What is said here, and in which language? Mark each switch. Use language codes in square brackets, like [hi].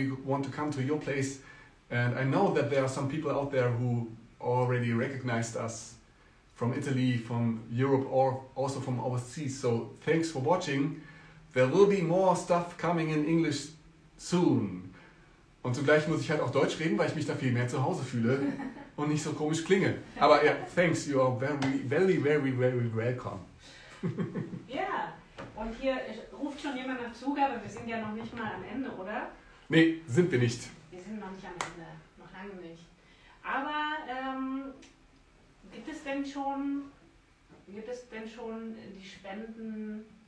[en] We want to come to your place. And I know that there are some people out there who already recognized us from Italy, from Europe, or also from overseas. So thanks for watching. There will be more stuff coming in English soon. [de] Und zugleich muss ich halt auch Deutsch reden, weil ich mich da viel mehr zu Hause fühle und nicht so komisch klinge. Aber ja, [en] thanks, you are very, very, very, very welcome. [de] Ja, und hier ruft schon jemand nach Zugabe, wir sind ja noch nicht mal am Ende, oder? Nee, sind wir nicht. Wir sind noch nicht am Ende, noch lange nicht. Aber gibt es denn schon die Spenden?